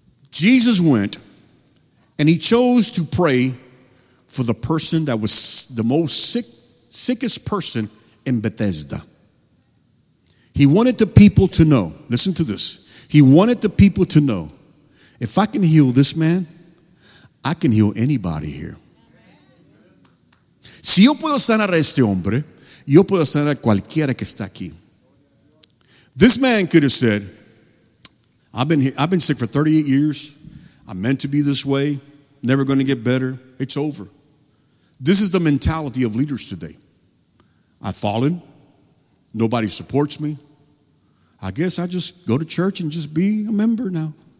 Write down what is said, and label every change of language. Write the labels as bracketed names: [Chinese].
[English] Jesus went, and he chose to pray for the person that was the most sickest person in Bethesda. He wanted the people to know, listen to this, he wanted the people to know, if I can heal this man, I can heal anybody here. [Spanish] Si yo puedo sanar a este hombre, yo puedo sanar a cualquiera que está aquí. [English] This man could have said, I've been sick for 38 years. I'm meant to be this way. Never going to get better. It's over. This is the mentality of leaders today. I've fallen. Nobody supports me. I guess I just go to church and just be a member now.